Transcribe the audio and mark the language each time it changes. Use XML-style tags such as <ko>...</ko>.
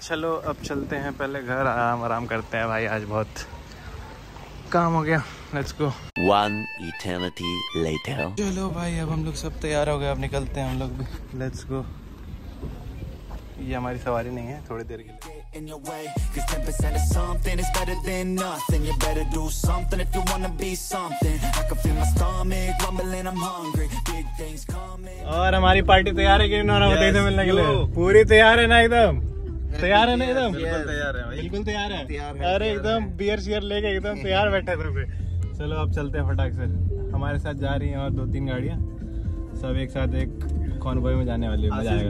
<hi>चलो अब चलते हैं पहले घर, आराम आराम करते हैं भाई, आज बहुत काम हो गया।</hi> <en>Let's go. One eternity later.</en> <hi>चलो भाई अब हम लोग सब तैयार हो गए, अब निकलते हैं हम लोग भी।</hi> <en>Let's go.</en> <hi>ये हमारी सवारी नहीं है थोड़ी देर के लिए।</hi> <en>In your way, 'cause 10% of something is better than nothing. You better do something if you wanna be something. I can feel my stomach rumbling, I'm hungry. Big things coming.</en> <hi>और हमारी पार्टी तैयार है कि नहीं? Nora Fatehi से मिलने के लिए पूरी तैयार है ना? एकदम तैयार है ना? एकदम बिल्कुल तैयार है, बिल्कुल तैयार है। अरे एकदम बियर शियर लेके एकदम तैयार बैठे ग्रुप पे। चलो अब चलते हैं फटाक से, हमारे साथ जा रही हैं और दो तीन गाड़ियां, सब एक साथ एक कॉन्वॉय में जाने वाली है।</hi>